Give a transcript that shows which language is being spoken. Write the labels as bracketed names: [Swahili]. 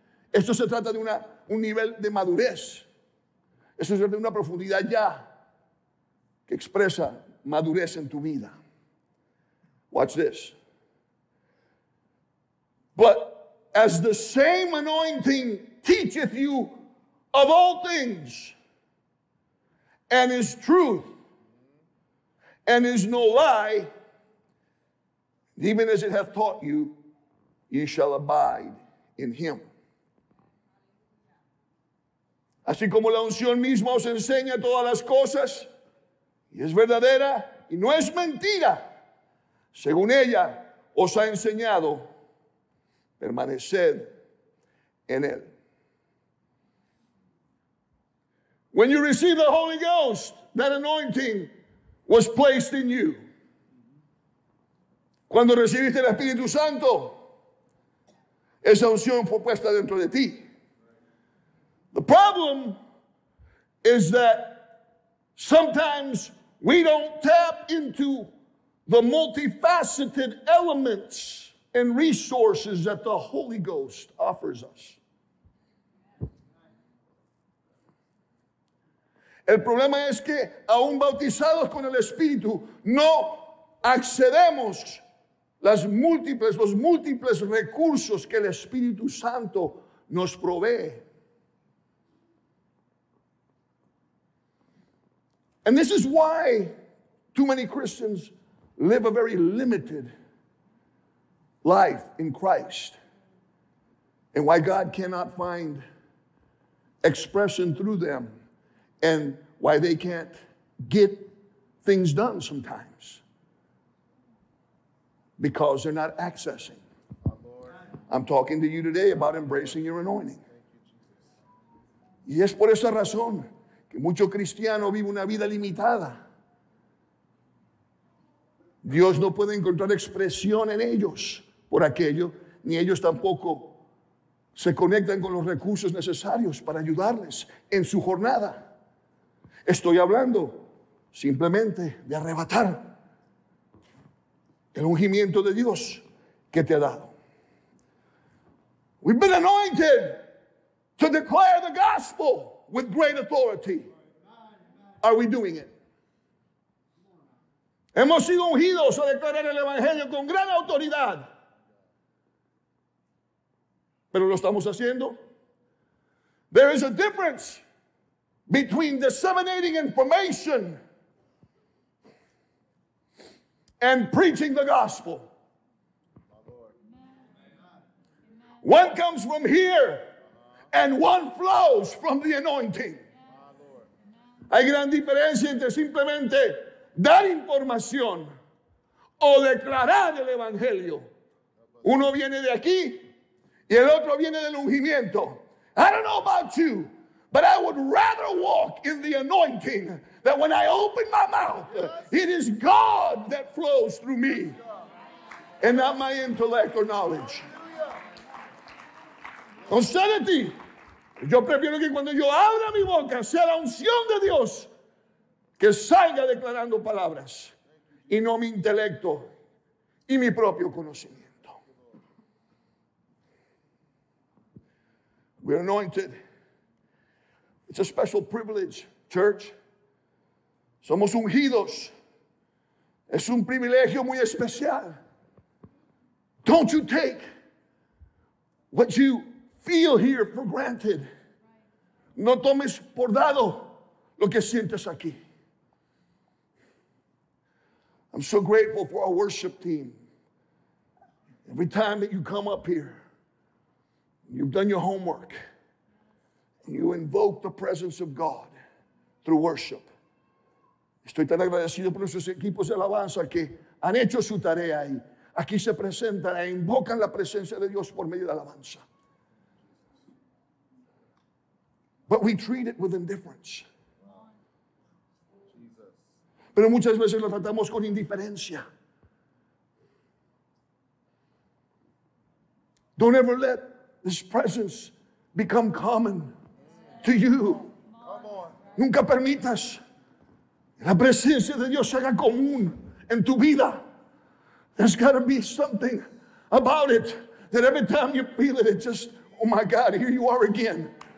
[Spanish] Esto se trata de un nivel de madurez. Esto se trata de una profundidad ya que expresa madurez en tu vida. [English] Watch this. But as the same anointing teacheth you of all things, and is truth, and is no lie, even as it hath taught you, ye shall abide in him. [Spanish] Así como la unción misma os enseña todas las cosas, y es verdadera, y no es mentira, según ella os ha enseñado, permaneced en él. [English] When you receive the Holy Ghost, that anointing was placed in you. [Spanish] Cuando recibiste el Espíritu Santo, esa unción fue puesta dentro de ti. [English] The problem is that sometimes we don't tap into the multifaceted elements and resources that the Holy Ghost offers us. [Spanish] El problema es que aún bautizados con el Espíritu no accedemos los múltiples recursos que el Espíritu Santo nos provee. [English] And this is why too many Christians live a very limited life in Christ, and why God cannot find expression through them, and why they can't get things done sometimes, because they're not accessing. I'm talking to you today about embracing your anointing. [Spanish] Y es por esa razón que mucho cristiano vive una vida limitada. Dios no puede encontrar expresión en ellos por aquello, ni ellos tampoco se conectan con los recursos necesarios para ayudarles en su jornada. Estoy hablando simplemente de arrebatar el ungimiento de Dios que te ha dado. [English] We've been anointed to declare the gospel with great authority. Are we doing it? [Spanish] Hemos sido ungidos a declarar el evangelio con gran autoridad. Pero lo estamos haciendo. [English] There is a difference between disseminating information and preaching the gospel. One comes from here and one flows from the anointing. [Spanish] Hay gran diferencia entre simplemente dar información o declarar el evangelio. Uno viene de aquí y el otro viene del ungimiento. [English] I don't know about you, but I would rather walk in the anointing that when I open my mouth, it is God that flows through me and not my intellect or knowledge. Sincerity. [Spanish] Yo prefiero que cuando yo abra mi boca sea la unción de Dios que salga declarando palabras y no mi intelecto y mi propio conocimiento. [English] We're anointed. It's a special privilege, church. [Spanish] Somos ungidos. Es un privilegio muy especial. [English] Don't you take what you feel here for granted. [Spanish] No tomes por dado lo que sientes aquí. [English] I'm so grateful for our worship team. Every time that you come up here, you've done your homework. You invoke the presence of God through worship. [Spanish] Estoy tan agradecido por nuestros equipos de alabanza que han hecho su tarea y aquí se presentan e invocan la presencia de Dios por medio de alabanza. [English] But we treat it with indifference. [Spanish] Pero muchas veces lo tratamos con indiferencia. [English] Don't ever let this presence become common to you. [Spanish] Nunca permitas la presencia de Dios se haga común en tu vida. [English] There's got to be something about it that every time you feel it, it just, oh my God, here you are again.